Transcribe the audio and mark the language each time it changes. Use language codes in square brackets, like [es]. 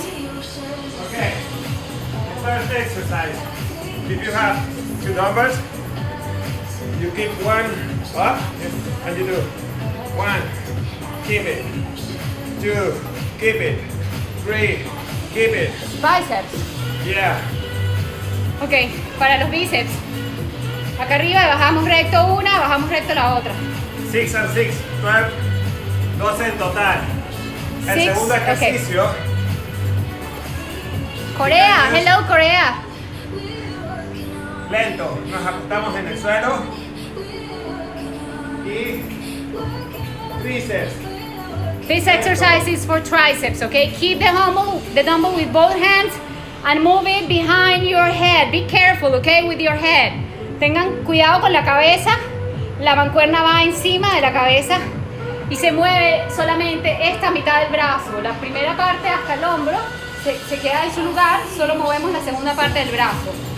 [en] Ok, first exercise. If you have two dumbbells, you keep one up, and you do one, keep it, two, keep it, three, keep it. Biceps. Yeah. [es] Ok, para los bíceps. Acá arriba bajamos recto una, bajamos recto la otra. [en] Six and six, [es] 12, 12 en total. El six, segundo ejercicio. [en] Okay. Corea, hello Corea. [es] Lento, nos ajustamos en el suelo. Y tríceps. [en] This exercise is for triceps, okay? Keep the dumbbell with both hands and move it behind your head. Be careful, okay, with your head. [es] Tengan cuidado con la cabeza. La mancuerna va encima de la cabeza y se mueve solamente esta mitad del brazo. La primera parte hasta el hombro se queda en su lugar, solo movemos la segunda parte del brazo.